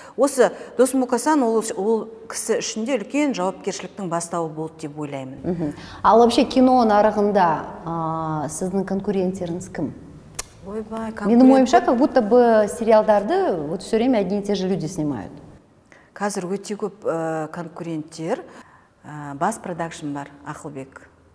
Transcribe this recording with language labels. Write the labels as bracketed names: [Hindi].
[Kazakh] Осы Дос Мукасан ол кісі ішінде үлкен жауапкершіліктің бастауы болды деп ойлаймын. Ал вообще кино нарығында сіздің конкуренттеріңіз кім? [Russian] Менің ойымша, как будто бы сериалдарды вот все время одни и те же люди снимают. [Kazakh] Қазір өте көп конкуренттер. Бас продакшн бар, Ақылбек.